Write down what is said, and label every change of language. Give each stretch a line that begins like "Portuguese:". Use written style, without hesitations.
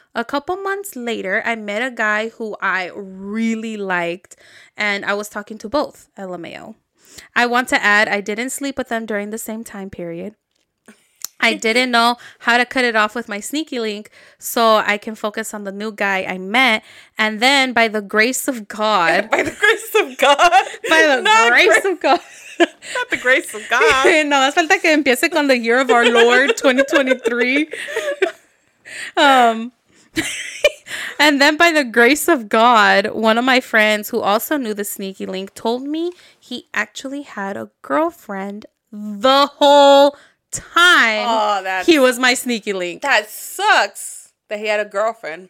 English: A couple months later, I met a guy who I really liked, and I was talking to both, LMAO. I want to add, I didn't sleep with them during the same time period. I didn't know how to cut it off with my sneaky link so I can focus on the new guy I met. And then, by the grace of God. By the grace of God? By the grace of God. Not the grace of God.
Spanish: No, más falta que empiece con
English: the year of our Lord,
Spanish: 2023.
English: And then, by the grace of God, one of my friends who also knew the sneaky link told me he actually had a girlfriend the whole time. He was my sneaky link. That sucks that he had a girlfriend.